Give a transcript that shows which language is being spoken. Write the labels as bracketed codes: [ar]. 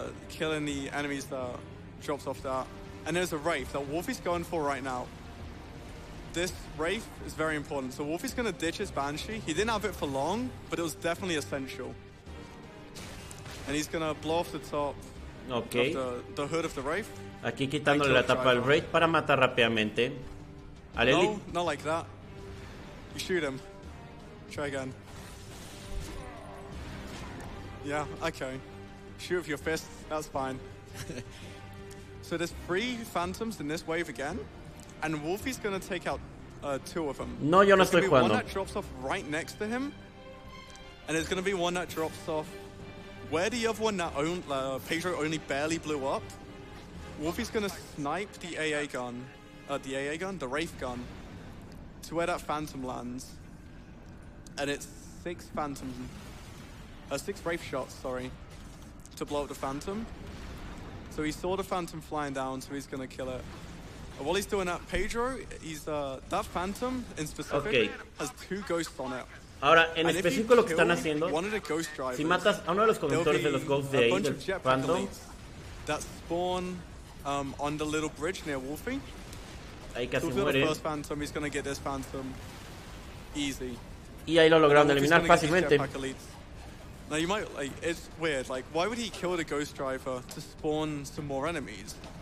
[en] Killing the enemies that drops off that. And there's a Wraith that Wolfie's going for right now. This Wraith is very important. So Wolfie's going to ditch his Banshee. He didn't have it for long, but it was definitely essential. And he's going to blow off the top. Okay. The hood of the Wraith. [es] Aquí quitándole la tapa al Wraith para matar rápidamente. [en] No, not like that. You shoot him. Try again. Yeah, okay. Shoot with your fist, that's fine. So there's three Phantoms in this wave again, and Wolfie's gonna take out two of them. [es] No, yo no estoy [en] There's gonna be one that drops off right next to him, and there's gonna be one that drops off where the other one that Pedro only barely blew up. Wolfie's gonna snipe the AA gun, the Wraith gun, to where that Phantom lands, and it's six Wraith shots, sorry. To blow up the Phantom. So he saw the Phantom flying down, so he's gonna kill it. While he's doing that, Pedro, he's that Phantom in specific, okay, has two ghosts on it. [es] Ahora, en específico lo que están haciendo, si matas a uno de los conductores de los ghosts de ahí, del Phantom, [en] that spawn on the little bridge near Wolfie. [es] Ahí casi [en] so [es] muere. [en] The first Phantom, he's gonna get this Phantom easy. [es] Y ahí lo lograron eliminar fácilmente. [en] Now you might, like, it's weird, like, why would he kill the Ghost Driver to spawn some more enemies?